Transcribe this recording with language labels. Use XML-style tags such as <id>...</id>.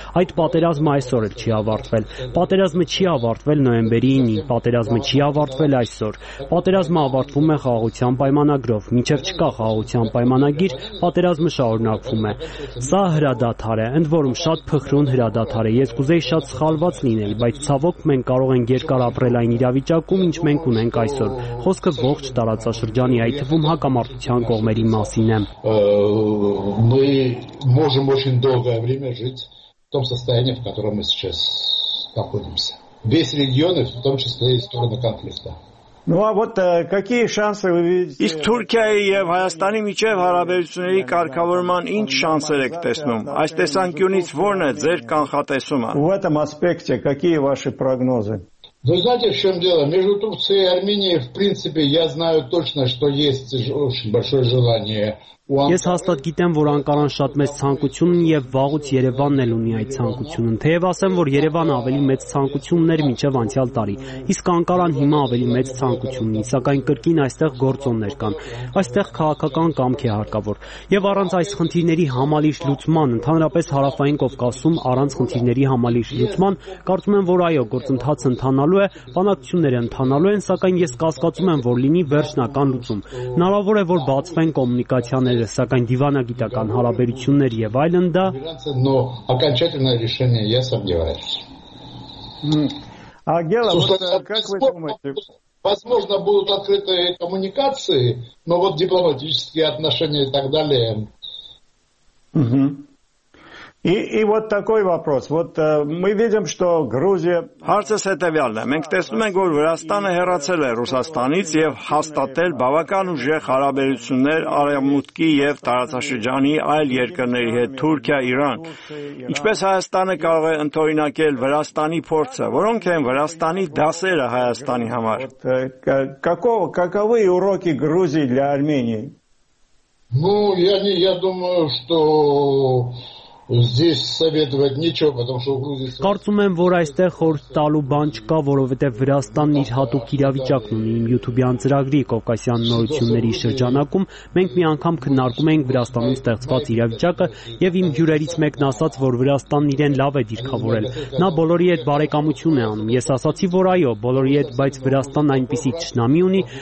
<hy>Այդ պատերազմը այսօր էլ չի ավարտվել։ Պատերազմը չի ավարտվել նոյեմբերի 9-ին, պատերազմը չի ավարտվել այսօր։ Պատերազմը ավարտվում է խաղաղության պայմանակ գրով, մինչև չկա խաղաղության պայմանագիր, պատերազմը շարունակվում է։ Սա հրադադար է, ընդ որում շատ փխրուն հրադադար է։ Ես կուզեի շատ սխալված լինել, բայց ցավոք մենք կարող ենք երկար ապրել այն իրավիճակում, ինչ մենք ունենք այսօր։ Խոսքը ողջ տարածաշրջանի, այդ թվում հակամարտության կողմերի մասին է։</hy> <ru>Мы можем очень долгое время жить в том состоянии, в котором мы сейчас находимся. Весь регион, в том числе и стороны конфликта. Ну а вот какие шансы вы видите?</ru> <hy>Իս Թուրքիայի եւ Հայաստանի միջև հարաբերությունների կարգավորման ինչ շանսեր եք տեսնում? Այս տեսանկյունից ո՞րն է ձեր կանխատեսումը։</hy> <ru>В этом аспекте какие ваши прогнозы? Вы знаете, в чем дело? Между Турцией и Арменией, в принципе, я знаю точно, что есть очень большое желание.</ru> <hy>Ես հաստատ գիտեմ, որ Անկարան շատ մեծ ցանկություն ունի եւ վաղուց Երևանն էլ ունի այդ ցանկությունը։ Թեև ասեմ, որ Երևանը ավելի մեծ ցանկություններ միջև անցյալ տարի, իսկ Անկարան հիմա ավելի մեծ ցանկություն ունի, սակայն կրկին այստեղ գործոններ կան։ Այստեղ քաղաքական կամք է հարկավոր, եւ առանց այս խնդիրների համալիրի լուծման, ընդհանրապես հարավային Կովկասում առանց խնդիրների համալիրի լուծման, կարծում եմ, որ այո, գործընթացը ընթանալու է, բանակցությունները ընթանալու են, սակայն ես կասկածում եմ, որ լինի վերջնական լուծում։ Հնարավոր է, որ բացվեն կոմունիկացիաները, սակայն դիվանագիտական հարաբերություններ եւ այլն դա</hy> <ru>окончательное решение я сомневаюсь. А дело вот как вы думаете? Возможно будут открытые коммуникации, но вот дипломатические отношения и так далее. И вот такой вопрос. Вот мы видим, что Грузия</ru> <hy>հարցս հետեւյալն է. Մենք տեսնում ենք, որ Վրաստանը հեռացել է Ռուսաստանից եւ հաստատել բավական ուժեղ հարաբերություններ Արևմուտքի եւ տարածաշրջանի այլ երկրների հետ՝ Թուրքիա, Իրան։ Ինչպես Հայաստանը կարող է ընդօրինակել Վրաստանի փորձը, որոնք են Վրաստանի դասերը Հայաստանի համար։</hy> <ru>Каковы уроки Грузии для Армении? Ну, я думаю, что здесь советовать нечего, потому что в Грузии.</ru> <hy>Կարծում եմ, որ այստեղ խորտալու բան չկա, որովհետև Վրաստանն իր հատուկ իրավիճակն ունի իմ YouTube-յան ծրագրի Կովկասյան նորությունների շրջանակում։ Մենք մի անգամ քննարկում ենք Վրաստանում ստեղծված իրավիճակը, եւ իմ հյուրերից մեկն ասաց, որ Վրաստանն իրեն լավ է դիրքավորել։ Նա բոլորի հետ բարեկամություն է անում։ Ես ասացի, որ այո, բոլորի հետ, բայց Վրաստանն այնպիսի ճշնամի ունի,</hy>